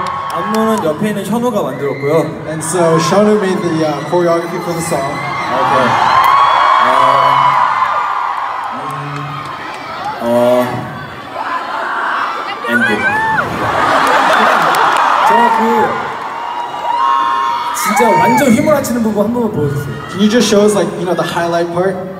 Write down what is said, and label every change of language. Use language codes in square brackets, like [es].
[ko] 안무는 옆에 있는 션우가 만들었고요. [en] And so Shonu made the choreography for the song. Okay. [ko] 진짜 완전 휘몰아치는 부분 한 번만 보여주세요. [en] Can you just show us like you know the highlight part?